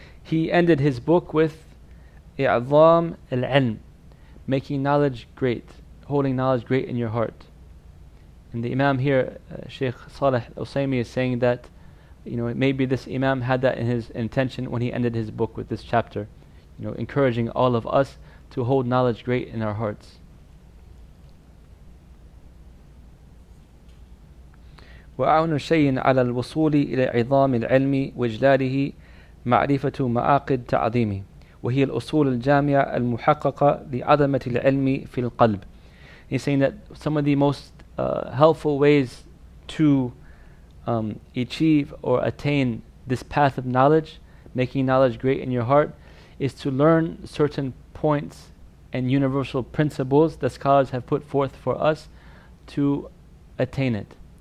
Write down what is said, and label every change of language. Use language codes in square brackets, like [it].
[en] He ended his book with I'adham al-ilm, making knowledge great, holding knowledge great in your heart. And the Imam here, Shaykh Saleh Al-Usaymi, is saying that, you know, maybe this Imam had that in his intention when he ended his book with this chapter, you know, encouraging all of us to hold knowledge great in our hearts. [ar] وَأَعْنُ شَيْءٍ عَلَى الْوَصُولِ إِلَى عِظَامِ الْعِلْمِ وَجْلَالِهِ مَعْرِفَةُ مَعَاقِدْ تَعْظِيمِ وهي الأصول الجامعة المحققة لعظمة العلم في القلب. [en] He's saying that some of the most helpful ways to achieve or attain this path of knowledge, making knowledge great in your heart, is to learn certain points and universal principles that scholars have put forth for us to attain it.